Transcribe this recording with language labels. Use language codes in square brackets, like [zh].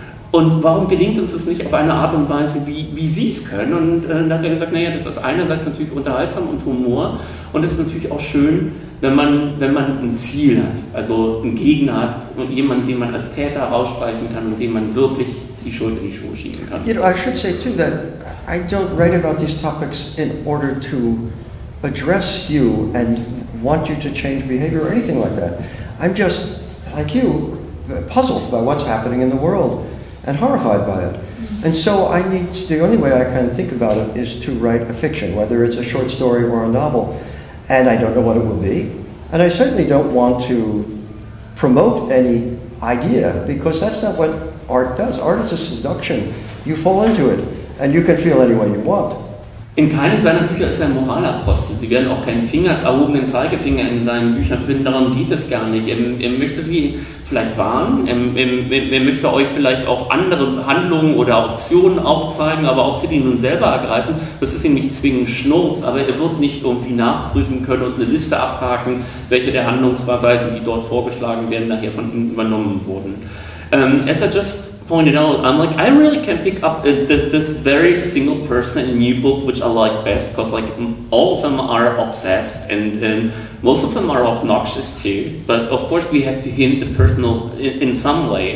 [de] Und warum gelingt uns das nicht auf eine Art und Weise, wie Sie es können? Und dann hat er gesagt, naja, das ist einerseits natürlich unterhaltsam und Humor. Und es ist natürlich auch schön, wenn man ein Ziel hat, also einen Gegner hat und jemanden, den man als Täter rausstreichen kann und dem man wirklich die Schuld in die Schuhe schieben kann. [en] You know, I should say too that I don't write about these topics in order to address you and want you to change behavior or anything like that. I'm just, like you, puzzled by what's happening in the world and horrified by it. And so the only way I can think about it is to write a fiction, whether it's a short story or a novel. And I don't know what it will be. And I certainly don't want to promote any idea, because that's not what art does. Art is a seduction. You fall into it, and you can feel any way you want. [de] In keinem seiner Bücher ist er ein Moralapostel. Sie werden auch keinen Finger, erhobenen Zeigefinger in seinen Büchern finden. Darum geht es gar nicht. Er möchte sie vielleicht warnen. Er möchte euch vielleicht auch andere Handlungen oder Optionen aufzeigen. Aber ob sie die nun selber ergreifen, das ist ihm nicht zwingend Schnurz. Aber er wird nicht irgendwie nachprüfen können und eine Liste abhaken, welche der Handlungsweisen, die dort vorgeschlagen werden, nachher von ihm übernommen wurden. [en] As I just pointed out, I'm like, I really can pick up this very single person in your book, which I like best, because like all of them are obsessed, and most of them are obnoxious too, but of course we have to hint the personal in some way.